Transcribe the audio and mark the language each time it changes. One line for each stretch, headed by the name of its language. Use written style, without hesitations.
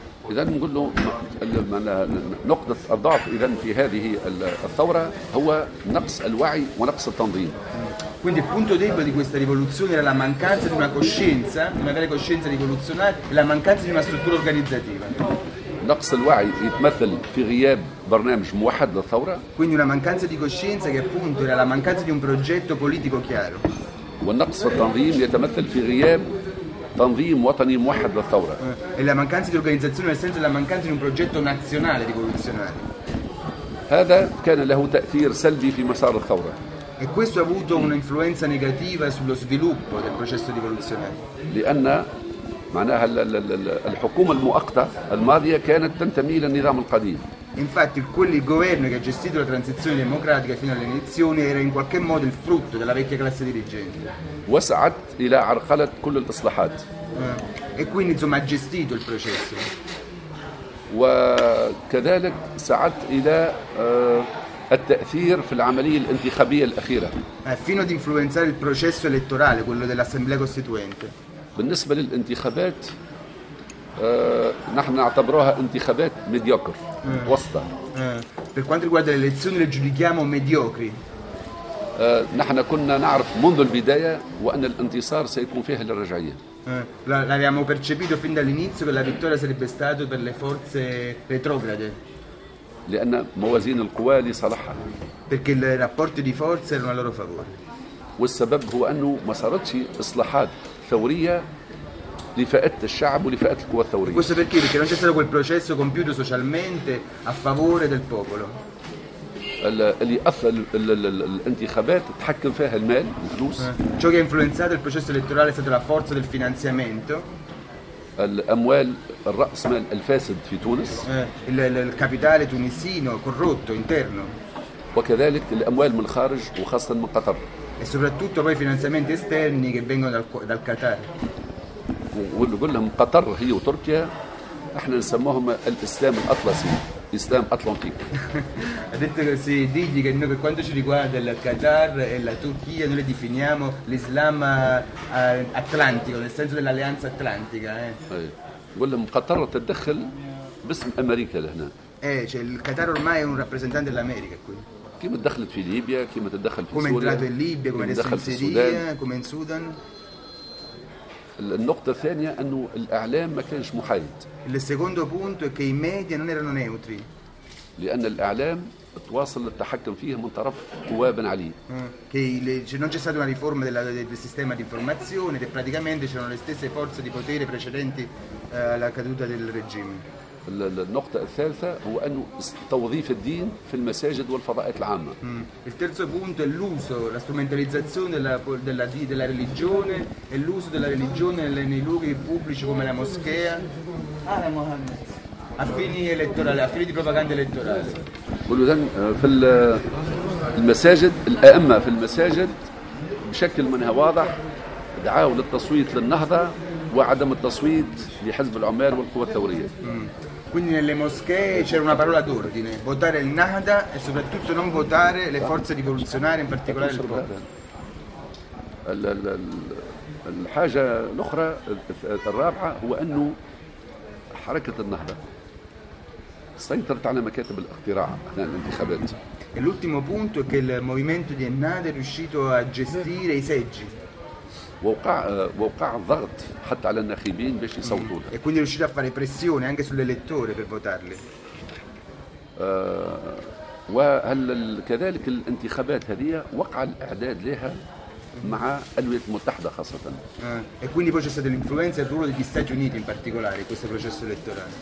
Arabic: إذن نقول له نقطة الضعف إذن في هذه الثورة هو نقص الوعي ونقص التنظيم.
Italian: Quindi il punto debole di questa rivoluzione era la mancanza di una coscienza, di una vera coscienza rivoluzionaria, la mancanza di una struttura organizzativa.
Arabic: نقص الوعي يتمثل في غياب برنامج موحد للثورة.
Italian: Quindi una mancanza di coscienza che appunto era la mancanza di un progetto politico chiaro.
Arabic: والنقص في التنظيم يتمثل في غياب تنظيم وطني موحد للثورة.
Italian: E la mancanza di organizzazione nel senso della mancanza di un progetto nazionale rivoluzionario.
Arabic: هذا كان له تأثير سلبي في مسار الثورة.
Italian: E questo ha avuto un'influenza negativa sullo sviluppo del processo rivoluzionario.
Arabic: لأن معناها الحكومة المؤقتة الماضية كانت تنتمي للنظام القديم.
Italian: Infatti quel governo che ha gestito la transizione democratica fino alle elezioni era in qualche modo il frutto della vecchia classe dirigente.
Arabic: وسعت إلى عرقلة كل الإصلاحات.
Italian: E quindi insomma ha gestito il processo.
Arabic: وكذلك سعت إلى التأثير في العملية الانتخابية الأخيرة.
Italian: Fino ad influenzare il processo elettorale, quello dell'Assemblea Costituente.
Arabic: بالنسبة للانتخابات نحن نعتبروها انتخابات ميديوكر وسطة.
Italian: Per quanto riguarda le elezioni le giudichiamo mediocri.
Arabic: نحن كنا نعرف منذ البداية وأن الانتصار سيكون فيها للرجعية.
Italian: L'avevamo percepito fin dall'inizio che la vittoria sarebbe stata per le forze retrograde.
Arabic: لأن موازين القوى لصالحها.
Italian: Perché il rapporto di forza era a loro favore.
Arabic: والسبب هو أنه ما صارتش إصلاحات ثورية لفئات الشعب ولفئات القوى الثورية.
Italian: Questo perché? Perché non c'è stato quel processo compiuto socialmente a favore del popolo.
Arabic: اللي أثر الانتخابات تحكم فيها المال الفلوس.
Italian: Ciò che ha influenzato il processo elettorale è stata la forza del finanziamento.
Arabic: الأموال الرأسمال الفاسد في تونس.
Italian: Il capitale tunisino corrotto interno.
Arabic: وكذلك الأموال من الخارج وخاصة من قطر.
Italian: E soprattutto poi i finanziamenti esterni che vengono dal Qatar.
Arabic: ونقول لهم قطر هي وتركيا احنا نسموهم الاسلام الاطلسي الاسلام الاطلنطيك.
Italian: Ha detto così, digli che noi per quanto ci riguarda il Qatar e la Turchia noi le definiamo l'islam atlantico, nel senso dell'alleanza atlantica.
Arabic: نقول لهم قطر تدخل باسم امريكا لهنا.
Italian: Cioè il Qatar ormai è un rappresentante dell'America qui.
Arabic: كيما دخلت في ليبيا كيما تدخل في سوريا.
Italian: Come è entrato in Libia, come è entrato in Siria, come in Sudan.
Arabic: النقطة الثانية أنه الإعلام ما كانش محايد.
Italian: Il secondo punto è che i media non erano neutri.
Arabic: لأن الإعلام تواصل التحكم فيه من طرف قوى بن علي.
Italian: Che non c'è stata una riforma del sistema di informazione e praticamente c'erano le stesse forze di potere precedenti alla caduta del regime.
Arabic: النقطة الثالثة هو أنه توظيف الدين في المساجد والفضاءات العامة.
Italian: Il terzo punto è l'uso, la strumentalizzazione della religione e l'uso della religione nei luoghi pubblici come la moschea. Ah, Mohammed. A fini elettorali, a fini di propaganda elettorale.
Arabic: قولوا إذن في المساجد الأئمة في المساجد بشكل منها واضح دعاوا للتصويت للنهضة وعدم التصويت لحزب العمال والقوى الثورية.
Italian: Quindi nelle moschee c'era una parola d'ordine, votare il Nahda e soprattutto non votare le forze rivoluzionarie, in particolare il popolo.
Arabic: الحاجة الأخرى الرابعة هو أنه حركة النهضة سيطرت على مكاتب الاقتراع أثناء الانتخابات.
Italian: E l'ultimo punto è che il movimento di Ennahda è riuscito a gestire i seggi.
Arabic: ووقع ضغط حتى على الناخبين باش يصوتوا له.
Italian: E quindi riuscito a fare pressione anche sull'elettore per votarli.
Arabic: وهل كذلك الانتخابات هذه وقع الاعداد لها مع الولايات المتحده خاصه.
Italian: E quindi poi c'è stata l'influenza e il ruolo degli Stati Uniti in particolare in questo processo elettorale.